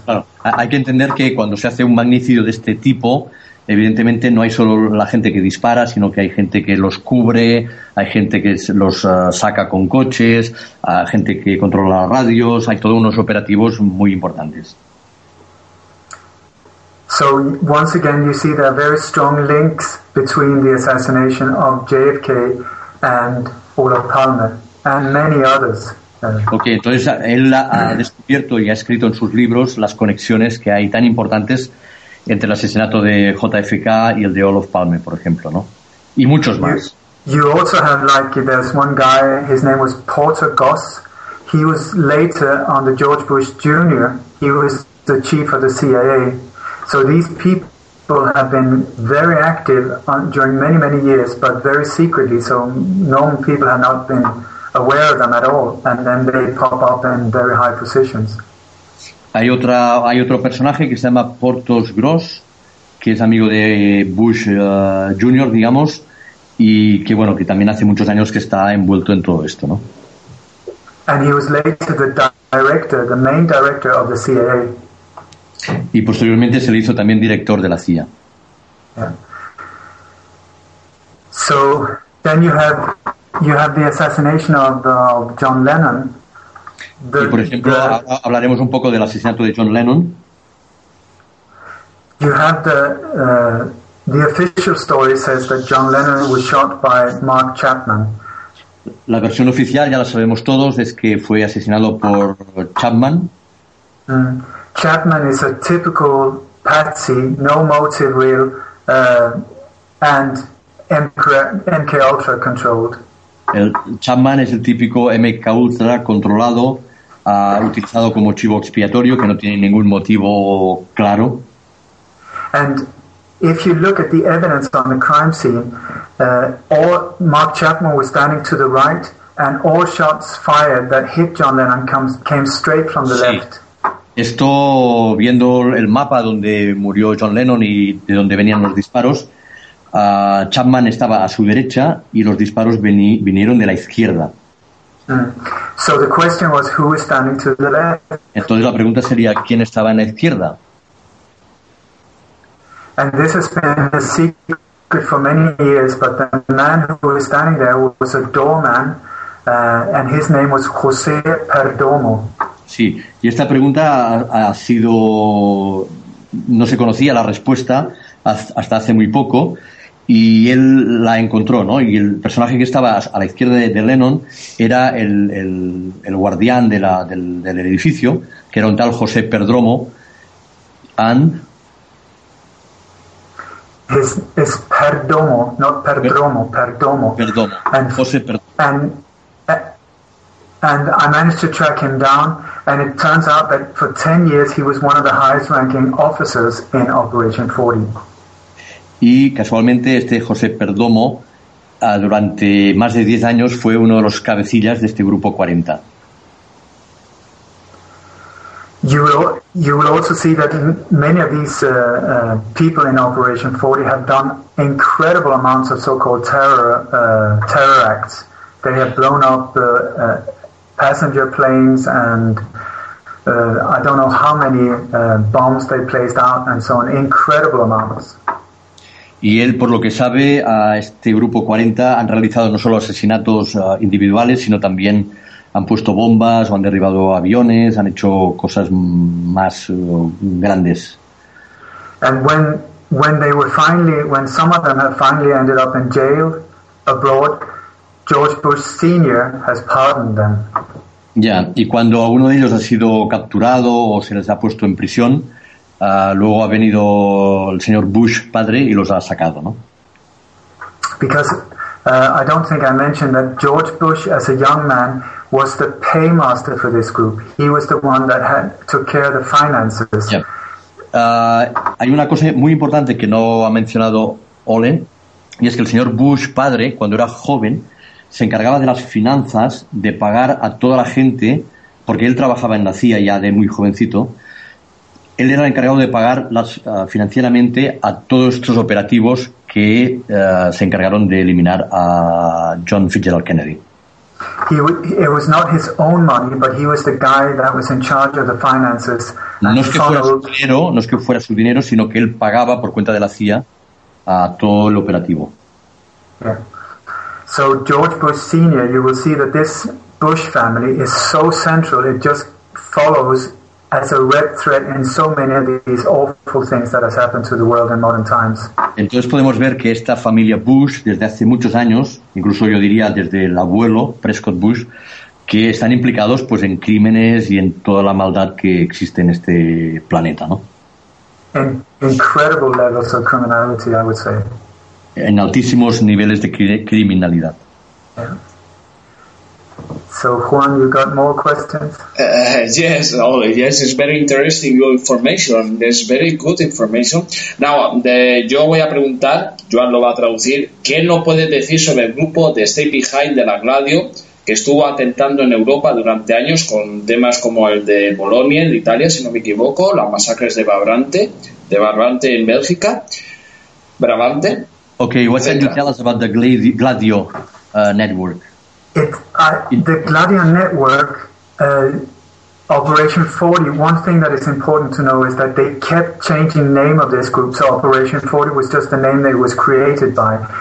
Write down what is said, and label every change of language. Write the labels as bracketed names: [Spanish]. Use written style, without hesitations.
[Spanish] Claro, hay que entender que cuando se hace un magnicidio de este tipo, evidentemente no hay solo la gente que dispara, sino que hay gente que los cubre, hay gente que los saca con coches, hay gente que controla las radios, hay todos unos operativos muy importantes. [English] So once again you see there are very strong links between the assassination of JFK and Olof Palme. And many others. [Spanish] Okay, entonces él ha descubierto y ha escrito en sus libros las conexiones que hay tan importantes entre el asesinato de JFK y el de Olof Palme, por ejemplo, ¿no? Y muchos más. [English] You also have, like, there's one guy, his name was Porter Goss. He was later on the George Bush Jr. He was the chief of the CIA. So these people have been very active during many, many years, but very secretly. So known people have not been aware of them at all, and then they pop up in very high positions. [Spanish] Hay otro personaje que se llama Portos Gross, que es amigo de Bush Jr., digamos, y que, bueno, que también hace muchos años que está envuelto en todo esto, ¿no? [English] And he was later the director, the main director of the CIA. [Spanish] Y posteriormente se le hizo también director de la CIA. [English] Yeah. So then you have the assassination of John Lennon. [Spanish] Y por ejemplo, hablaremos un poco del asesinato de John Lennon. [English] You have the The official story says that John Lennon was shot by Mark Chapman. [Spanish] La versión oficial, ya la sabemos todos, es que fue asesinado por Chapman. [English] Mm. Chapman is a typical patsy, no motive real, and MKUltra controlled. [Spanish] El Chapman es el típico MKUltra controlado, utilizado como chivo expiatorio, que no tiene ningún motivo claro. [English] And if you look at the evidence on the crime scene, all Mark Chapman was standing to the right, and all shots fired that hit John Lennon came straight from the left. [Spanish] Esto, viendo el mapa donde murió John Lennon y de donde venían los disparos, Chapman estaba a su derecha y los disparos vinieron de la izquierda. [English] So the question was, who was standing to the left? [Spanish] Entonces la pregunta sería, ¿quién estaba en la izquierda? [English] And this has been a secret for many years, but the man who was standing there was a doorman, and his name was José Perdomo. [Spanish] Sí, y esta pregunta ha sido, no se conocía la respuesta hasta hace muy poco, y él la encontró, ¿no? Y el personaje que estaba a la izquierda de Lennon era el guardián de la del edificio, que era un tal José Perdomo, and es Perdomo, no Perdomo, Perdomo. Perdomo. José Perdomo. [English] And I managed to track him down, and it turns out that for 10 years he was one of the highest-ranking officers in Operation 40. [Spanish] Y casualmente este José Perdomo, durante más de 10 años, fue uno de los cabecillas de este grupo 40. [English] You will also see that many of these people in Operation 40 have done incredible amounts of so-called terror acts. They have blown up passenger planes and I don't know how many bombs they placed out and so on, incredible amounts. [Spanish] Y él, por lo que sabe, a este grupo 40 han realizado no solo asesinatos individuales, sino también han puesto bombas o han derribado aviones, han hecho cosas más grandes. [English] And when some of them have finally ended up in jail abroad, George Bush Sr. has pardoned them. [Spanish] Ya, y cuando alguno de ellos ha sido capturado o se les ha puesto en prisión, luego ha venido el señor Bush padre y los ha sacado, ¿no? [English] Because I don't think I mentioned that George Bush as a young man was the paymaster for this group. He was the one that had took care of the finances. [Spanish] Ya. Hay una cosa muy importante que no ha mencionado Olen, y es que el señor Bush padre, cuando era joven, se encargaba de las finanzas, de pagar a toda la gente, porque él trabajaba en la CIA ya de muy jovencito. Él era el encargado de pagar financieramente a todos estos operativos que se encargaron de eliminar a John Fitzgerald Kennedy. [English] It was not his own money, but he was the guy that was in charge of the finances. [Spanish] No es que fuera su dinero, sino que él pagaba por cuenta de la CIA a todo el operativo. [English] Yeah. So George Bush Sr., you will see that this Bush family is so central, it just follows as a red thread in so many of these awful things that has happened to the world in modern times. [Spanish] Entonces podemos ver que esta familia Bush, desde hace muchos años, incluso yo diría desde el abuelo, Prescott Bush, que están implicados pues en crímenes y en toda la maldad que existe en este planeta, ¿no? [English] In incredible levels of criminality, I would say. [Spanish] En altísimos niveles de criminalidad. [English] So Juan, you got more questions? Yes, Oli. Yes, it's very interesting your information. It's very good information. [Spanish] Now, yo voy a preguntar, Juan lo va a traducir. ¿Qué no puedes decir sobre el grupo de Stay Behind de la Gladio que estuvo atentando en Europa durante años con temas como el de Bolonia en Italia, si no me equivoco, las masacres de Brabante en Bélgica, Brabante? [English] Okay, what can you tell us about the Gladio network? The Gladio network, Operation 40, one thing that is important to know is that they kept changing the name of this group, so Operation 40 was just the name that was created by.